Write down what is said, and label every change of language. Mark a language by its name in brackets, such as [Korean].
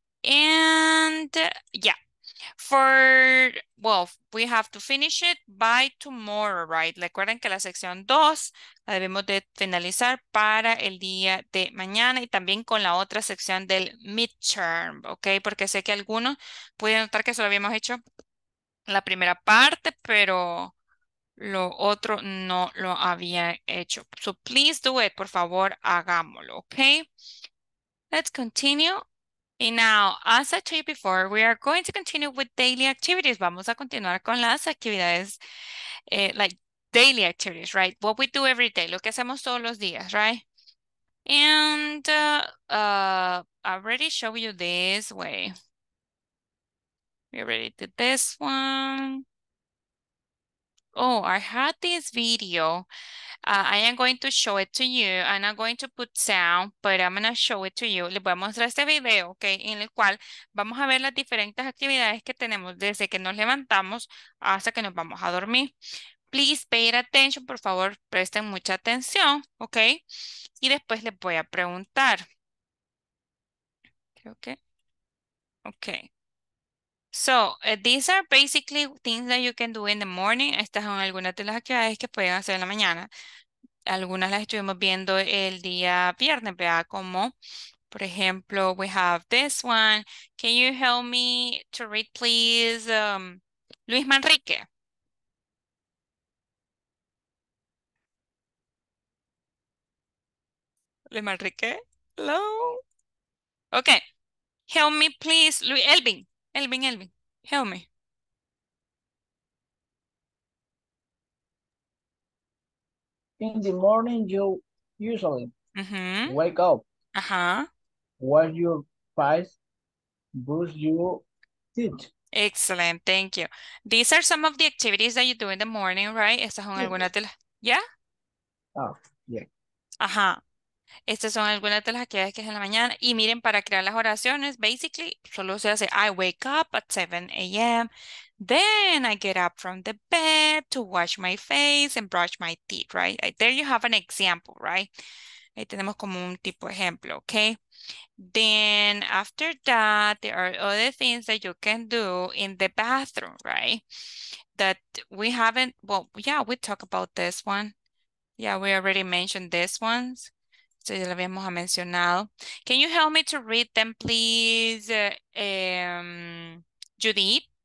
[English] And yeah, we have to finish it by tomorrow, right? [Spanish] Recuerden que la sección 2 la debemos de finalizar para el día de mañana y también con la otra sección del midterm, ¿ok? Porque sé que algunos pueden notar que solo habíamos hecho la primera parte, pero lo otro no lo había hecho. [English] So please do it, [Spanish] por favor, hagámoslo, [English] ¿ok? Let's continue. And now, as I told you before, we are going to continue with daily activities. [Spanish] Vamos a continuar con las actividades, [English] daily activities, right? What we do every day, [Spanish] lo que hacemos todos los días, [English] right? And I already showed you this way. We already did this one. Oh, I had this video. I am going to show it to you and I'm going to put sound, but I'm going to show it to you. [Spanish] Les voy a mostrar este video, ok, en el cual vamos a ver las diferentes actividades que tenemos desde que nos levantamos hasta que nos vamos a dormir. [English] Please pay attention, [Spanish] por favor, presten mucha atención, ok, y después les voy a preguntar. Creo que, ok. [English] So, these are basically things that you can do in the morning. [Spanish] Estas son algunas de las actividades que pueden hacer en la mañana. Algunas las estuvimos viendo el día viernes, ¿verdad? Como, por ejemplo, [English] we have this one. Can you help me to read, please, Luis Manrique? Luis Manrique, hello. Okay, help me, please, Luis Elvin. Elvin, Elvin, help me. In the morning, you usually wake up. Wash your face, brush your teeth. Excellent, thank you. These are some of the activities that you do in the morning, right? [Spanish] Estas son algunas de las... [English] ¿Yeah? Oh, yeah. Ajá. [Spanish] Estas son algunas de las actividades que es en la mañana. Y miren, para crear las oraciones, [English] basically, [Spanish] solo se hace, [English] I wake up at 7 a.m. Then I get up from the bed to wash my face and brush my teeth, right? There you have an example, right? [Spanish] Ahí tenemos como un tipo de ejemplo, okay? [English] Then after that, there are other things that you can do in the bathroom, right? That we haven't, well, yeah, we talked about this one. Yeah, we already mentioned this one. [Spanish] Ya lo habíamos mencionado. [English] Can you help me to read them, please, Judith?